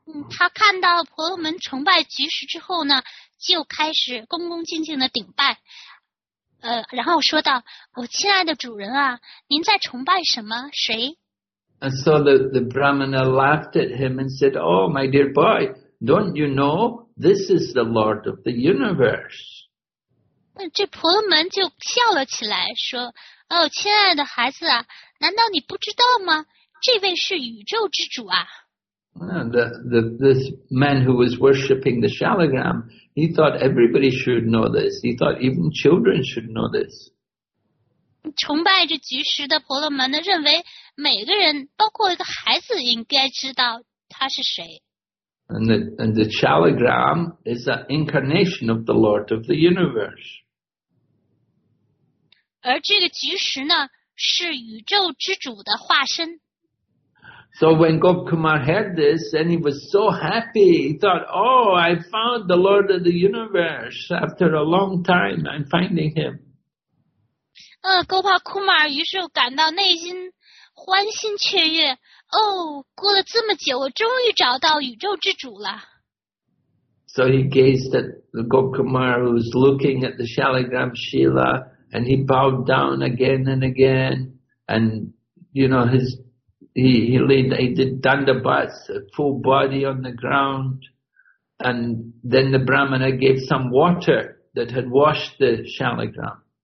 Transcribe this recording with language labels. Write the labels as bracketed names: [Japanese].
[Chinese] 他看到婆罗门崇拜菊石之后呢？就开始恭恭敬敬的顶拜，然后说道，我亲爱的主人啊，您在崇拜什么？谁？ [English] And so the Brahmana laughed at him and said, Oh, my dear boy, don't you know this is the Lord of the universe? [Chinese] 这婆罗门就笑了起来，说，哦，亲爱的孩子啊，难道你不知道吗？这位是宇宙之主啊。 [English] This man who was worshipping the Shaligram, he thought everybody should know this. He thought even children should know this. [Chinese] 崇拜着菊石的婆罗门呢，认为每个人，包括一个孩子，应该知道他是谁。 [English] And the Shaligram is an incarnation of the Lord of the Universe. [Chinese] 而这个菊石呢，是宇宙之主的化身。 [English] So when Gopkumar heard this, then he was so happy. He thought, oh, I found the Lord of the Universe. After a long time, I'm finding him. [Chinese] Gopal Kumar 于是感到内心欢欣雀跃，哦，过了这么久，我终于找到宇宙之主了。 [English] So he gazed at the Gokumar who was looking at the Shalagram Shila, and he bowed down again and again, and you know he did dandabhas, full body on the ground, and then the Brahmana gave some water that had washed the Shalagram.